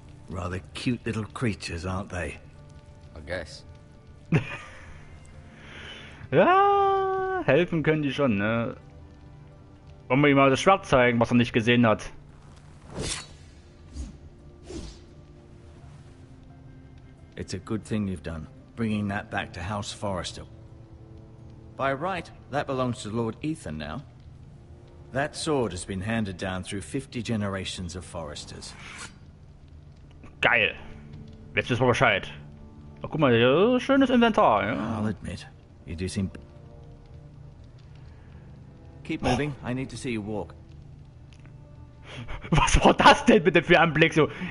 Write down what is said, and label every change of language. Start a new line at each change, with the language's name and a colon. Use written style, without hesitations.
English: Rather cute little creatures, aren't they? I guess.
German: Ja, helfen können die schon, ne? Wollen wir ihm mal das Schwert zeigen, was er nicht gesehen hat?
English: It's a good thing you've done, bringing that back to House Forrester. By right, that belongs to Lord Ethan now. That sword has been handed down through 50 generations of Forresters.
German: Geil. Jetzt wissen wir Bescheid. Oh, guck mal, schönes Inventar. Ja.
English: I'll admit, you do seem... Keep moving, I need to see you walk.
German: Was war das denn bitte für ein Blick so?